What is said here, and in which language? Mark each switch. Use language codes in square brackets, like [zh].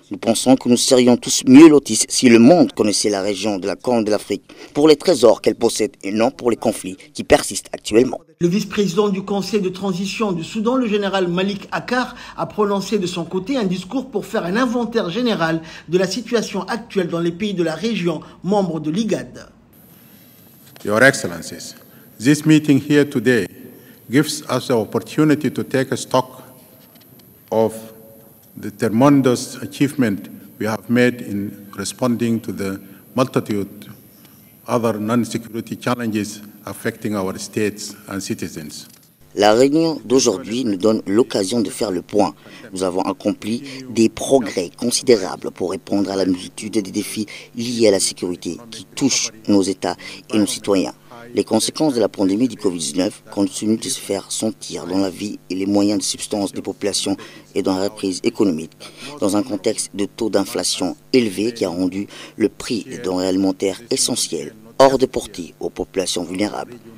[fr] Nous pensons que nous serions tous mieux lotis si le monde connaissait la région de la Corne de l'Afrique pour les trésors qu'elle possède et non pour les conflits qui persistent actuellement. Le vice-président du Conseil de transition du Soudan, le général Malik Akar, a prononcé de son côté un discours pour faire un inventaire général de la situation actuelle dans les pays de la région membres de l'IGAD. [en] Your Excellencies, this meeting here today gives us the opportunity to take a stock of the tremendous achievement we have made in responding to the multitude other non-security challenges affecting our states and citizens. [fr] La réunion d'aujourd'hui nous donne l'occasion de faire le point. Nous avons accompli des progrès considérables pour répondre à la multitude des défis liés à la sécurité qui touchent nos États et nos citoyens. Les conséquences de la pandémie du Covid-19 continuent de se faire sentir dans la vie et les moyens de subsistance des populations et dans la reprise économique, dans un contexte de taux d'inflation élevé qui a rendu le prix des denrées alimentaires essentielles hors de portée aux populations vulnérables.